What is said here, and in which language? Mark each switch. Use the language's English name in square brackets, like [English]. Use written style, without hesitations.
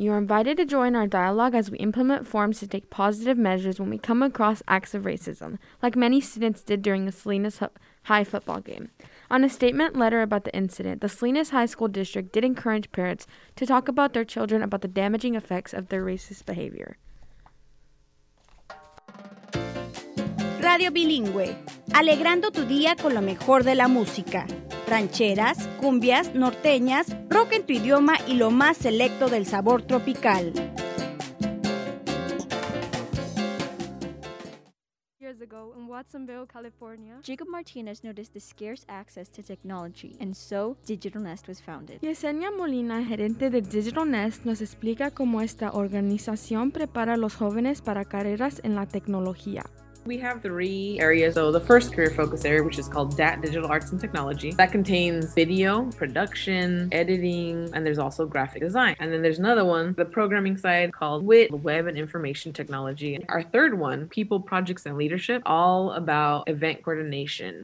[English] You are invited to join our dialogue as we implement forms to take positive measures when we come across acts of racism, like many students did during the Salinas High football game. On a statement letter about the incident, the Salinas High School District did encourage parents to talk about their children about the damaging effects of their racist behavior. [Spanish] Radio Bilingüe, alegrando tu día con lo mejor de la música. Rancheras, cumbias, norteñas, rock en tu idioma y lo más selecto del sabor tropical. [English] Years ago in Watsonville, California, Jacob Martinez noticed the scarce access to technology, and so Digital Nest was founded. [Spanish] Yesenia Molina, gerente de Digital Nest, nos explica cómo esta organización prepara a los jóvenes para carreras en la tecnología. [English] We have three areas. So the first career focus area, which is called DAT, Digital Arts and Technology, that contains video, production, editing, and there's also graphic design. And then there's another one, the programming side, called WIT, Web and Information Technology. And our third one, People, Projects, and Leadership, all about event coordination.